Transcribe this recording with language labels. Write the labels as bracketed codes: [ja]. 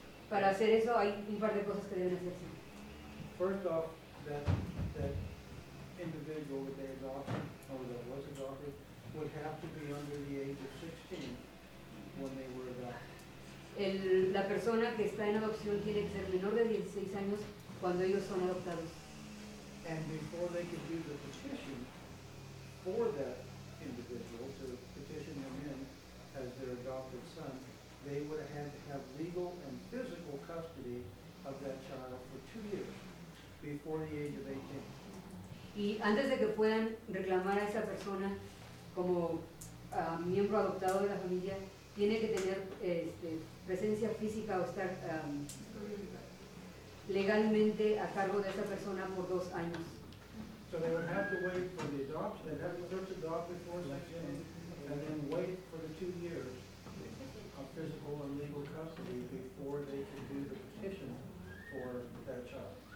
[es] Para hacer eso hay un par de cosas que deben hacerse. [en] First off, that individual that they adopted, or that was adopted, would have to be under the age of 16 when they were adopted. [es] La persona que está en adopción tiene que ser menor de 16 años cuando ellos son adoptados. [en] And before they could do the petition for that individual to petition them in as their adopted son, they would have had to have legal and physical custody of that child for 2 years before the age of 18. [es] Y antes de que puedan reclamar a esa persona como miembro adoptado de la familia, tiene que tener presencia física o estar legalmente a cargo de esa persona por 2 años. [en] So they would have to wait for the adoption, they'd have to first adopt before 16, and then wait for the 2 years of physical and legal custody before they can do the petition for that child.